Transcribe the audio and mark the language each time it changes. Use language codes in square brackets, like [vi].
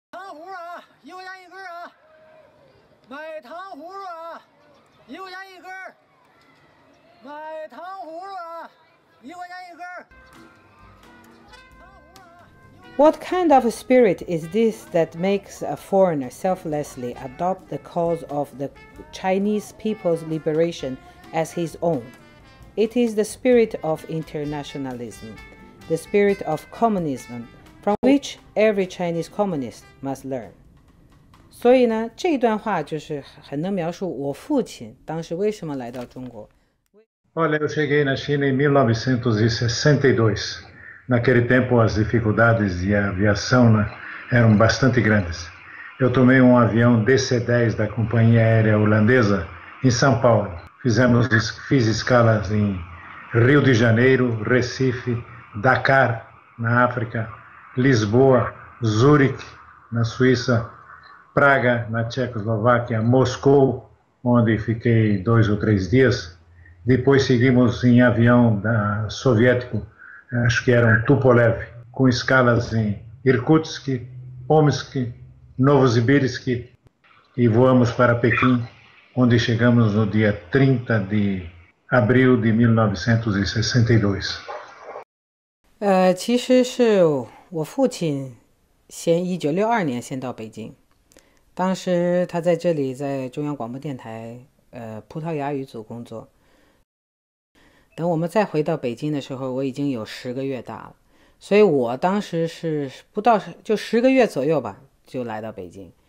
[zh] 一块钱一根啊，买糖葫芦啊，一块钱一根，买糖葫芦啊，一块钱一根。 [en] What kind of a spirit is this that makes a foreigner selflessly adopt the cause of the Chinese people's liberation as his own? It is the spirit of internationalism, the spirit of communism, from which every Chinese communist must learn. [zh] 所以呢，这一段话就是很能描述我父亲当时为什么来到中国。 [pt] Olha, eu cheguei na China em 1962. Naquele tempo, as dificuldades de aviação, né, eram bastante grandes. Eu tomei um avião DC-10 da companhia aérea holandesa em São Paulo. Fiz escalas em Rio de Janeiro, Recife, Dakar, na África, Lisboa, Zurique, na Suíça, Praga, na Tchecoslováquia, Moscou, onde fiquei 2 ou 3 dias. Depois seguimos em avião soviético,acho que era um Tupolev, com escalas em Irkutsk, Omsk, Novosibirsk, e voamos para Pequim, onde chegamos no dia 30 de abril de 1962. [zh] 其实是我父亲先1962年先到北京，当时他在这里在中央广播电台葡萄牙语组工作。等我们再回到北京的时候，我已经有10个月大了，所以我当时是不到就10个月左右吧，就来到北京。